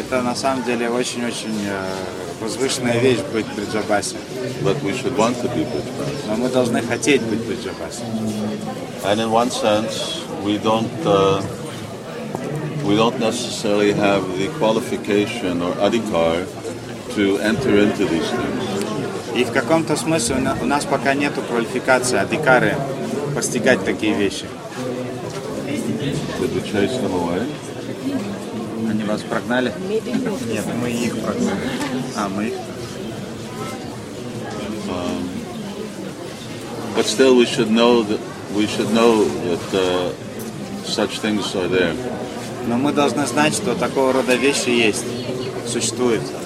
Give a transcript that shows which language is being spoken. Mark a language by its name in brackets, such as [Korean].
[Russian] Это на самом деле очень-очень возвышенная вещь быть Бриджабаси. [English] But we should want to be Бриджабаси. [Russian] Но мы должны хотеть быть Бриджабаси. [English] And in one sense, we don't necessarily have the qualification or adhikar to enter into these things. [Russian] И в каком-то смысле у нас пока нету квалификации, адикары, постигать такие вещи. [English] Did you chase them away? [Russian] Они вас прогнали? Нет, мы их прогнали. А, мы их. [English] But still we should know that such things are there. [Russian] Но мы должны знать, что такого рода вещи есть, существуют.